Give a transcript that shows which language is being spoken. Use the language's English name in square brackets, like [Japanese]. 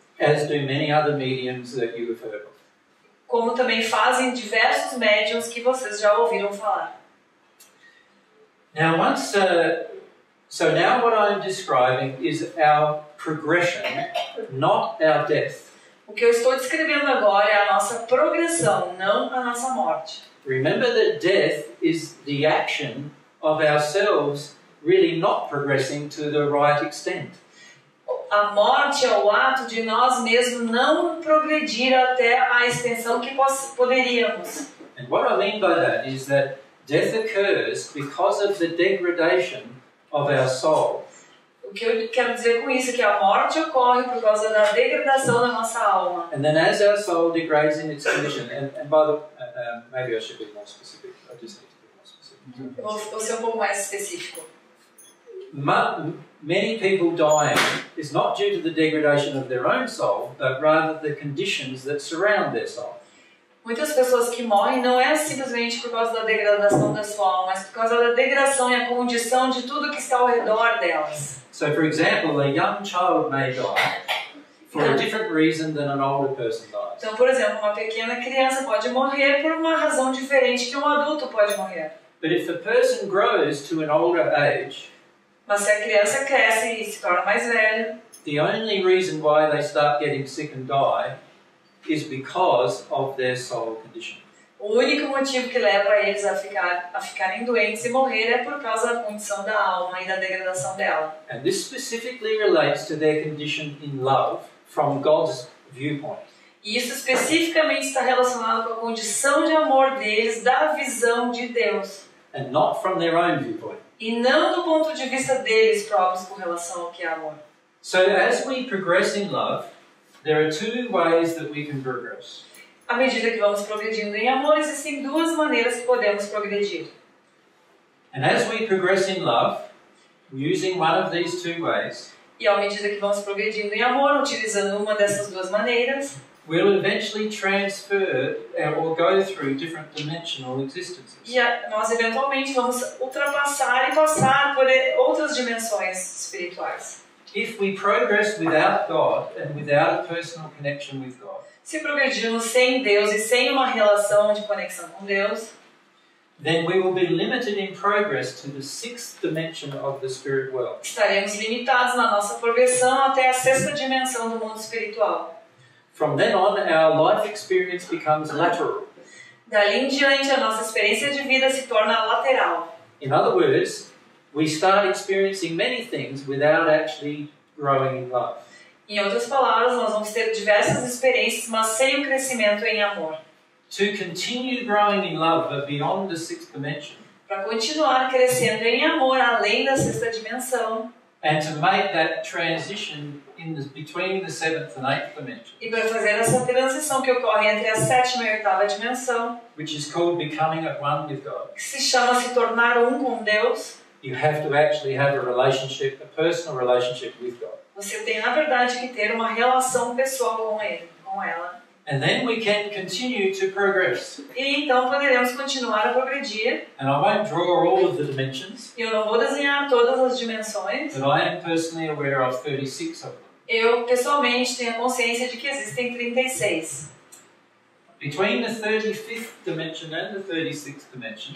[English] As do many other mediums that you have heard of. [Portuguese] Como também fazem diversos médiums que vocês já ouviram falar. [English] Now, now what I'm describing is our progression, not our death. [Portuguese] O que eu estou descrevendo agora é a nossa progressão, não a nossa morte. [English] Remember that death is the action of ourselves really not progressing to the right extent. [Portuguese] A morte é o ato de nós mesmos não progredir até a extensão que poderíamos. [English] And what I mean by that is that death occurs because of the degradation of our soul. [Portuguese] O que eu quero dizer com isso é que a morte ocorre por causa da degradação da nossa alma. [English] And then as our soul degrades in its condition, and by the maybe I should be more specific. I just need to be more specific. [Portuguese] Vou ser um pouco mais específico. [English] Many people dying is not due to the degradation of their own soul, but rather the conditions that surround their soul. [Portuguese] Muitas pessoas que morrem não é simplesmente por causa da degradação da sua alma, mas por causa da degradação e a condição de tudo que está ao redor delas. [English] So, for example, a young child may die for a different reason than an older person dies. [Portuguese] Então, por exemplo, uma pequena criança pode morrer por uma razão diferente que um adulto pode morrer. [English] But if a person grows to an older age, [Portuguese] mas se a criança cresce e se torna mais velha, [English] the only reason why they start getting sick and die is because of their soul condition. [Portuguese] O único motivo que leva eles a ficarem doentes e morrer é por causa da condição da alma e da degradação dela. [English] And this specifically relates to their condition in love from God's viewpoint. [Portuguese] E isso especificamente está relacionado com a condição de amor deles da visão de Deus. [English] And not from their own viewpoint. [Portuguese] E não do ponto de vista deles próprios com relação ao que é amor. [English] So as we progress in love, there are two ways that we can progress. [Portuguese] À medida que vamos progredindo em amor, existem duas maneiras que podemos progredir. [English] And as we progress in love, using one of these two ways, [Portuguese] e à medida que vamos progredindo em amor, utilizando uma dessas duas maneiras, [English] we'll eventually transfer or go through different dimensional existences. [Portuguese] E nós eventualmente vamos ultrapassar e passar por outras dimensões espirituais. [English] If we progress without God and without a personal connection with God, [Portuguese] se progredirmos sem Deus e sem uma relação de conexão com Deus, [English] then we will be limited in progress to the sixth dimension of the spirit world. [Portuguese] Estaremos limitados na nossa progressão até a sexta dimensão do mundo espiritual. [English] From then on, our life experience becomes lateral. [Portuguese] Dali em diante, a nossa experiência de vida se torna lateral. [English] In other words, we start experiencing many things without actually growing in love. [Portuguese] Em outras palavras, nós vamos ter diversas experiências, mas sem o crescimento em amor. [English] To continue growing in love, but beyond the sixth dimension. [Portuguese] Para continuar crescendo em amor, além da sexta dimensão. [English] And to make that transition in the, between the seventh and eighth dimension. [Portuguese] E para fazer essa transição que ocorre entre a sétima e a oitava dimensão. [English] Which is called becoming at one with God. [Portuguese] Que se chama se tornar um com Deus. [English] You have to actually have a relationship, a personal relationship with God. [Portuguese] Você tem, na verdade, que ter uma relação pessoal com ele, com ela. [English] And then we can continue to progress. [Portuguese] E então poderemos continuar a progredir. [English] And I won't draw all of the dimensions. [Portuguese] Eu não vou desenhar todas as dimensões. [English] But I am personally aware of 36 of them. [Portuguese] Eu, pessoalmente, tenho consciência de que existem 36. [English] Between the 35th dimension and the 36th dimension.